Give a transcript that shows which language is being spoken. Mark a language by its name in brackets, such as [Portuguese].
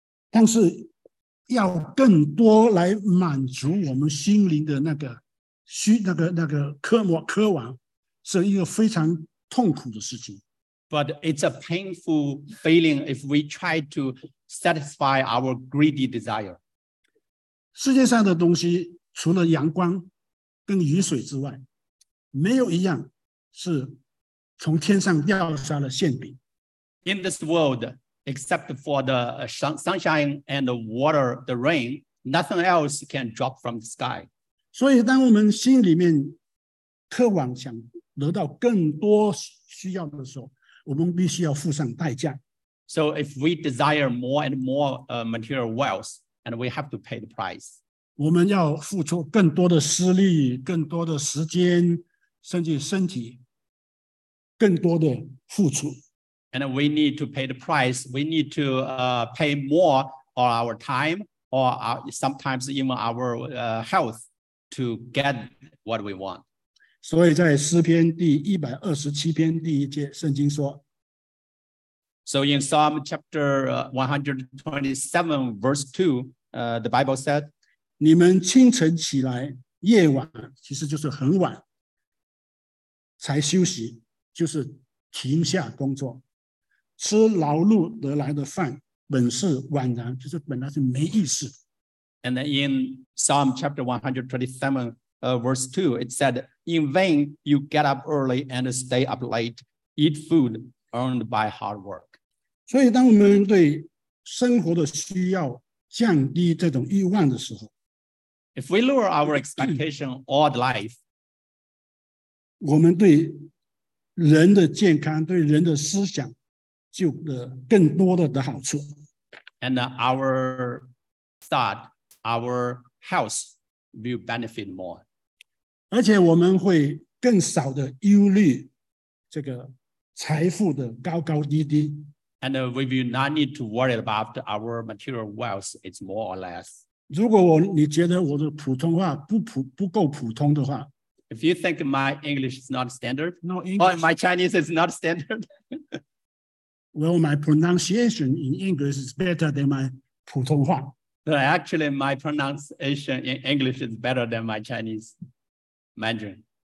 [Chinese] 但是要更多来满足我们心灵的那个虚，那个渴望是一个非常痛苦的事情。 [English] But it's a painful feeling if we try to satisfy our greedy desire. [Chinese] 世界上的东西除了阳光跟雨水之外，没有一样是从天上掉下了馅饼。 [English] In this world, except for the sunshine and the water, the rain, nothing else can drop from the sky. [Chinese] 所以当我们心里面渴望想得到更多需要的时候，我们必须要付上代价。 [English] So if we desire more and more material wealth, and we have to pay the price. [Chinese] 我们要付出更多的私利，更多的时间，甚至身体，更多的付出。 [English] And we need to pay the price. We need to pay more for our time or sometimes even our health to get what we want. [Chinese] 所以在诗篇第127篇第一节，圣经说， [English] So in Psalm chapter 127, verse 2, the Bible said, [Chinese] 你们清晨起来，夜晚，其实就是很晚，才休息，就是停下工作，吃劳碌得来的饭，本是枉然，就是本来是没意思。 [English] And then in Psalm chapter 127, verse 2, it said, In vain you get up early and stay up late, eat food earned by hard work. [Chinese] 所以当我们对生活的需要降低这种欲望的时候， [English] If we lower our expectation all the life, [Chinese] 我们对人的健康，对人的思想就更多的好处。 [English] And our thought, our health will benefit more. [Chinese] 而且我们会更少的忧虑这个财富的高高低低。 [English] And we will not need to worry about our material wealth. It's more or less. [Chinese] 如果我你觉得我的普通话不够普通的话， [English] If you think my English is not standard, no English, or my Chinese is not standard. Well, my pronunciation in English is better than my 普通话. But actually, my pronunciation in English is better than my Chinese Mandarin.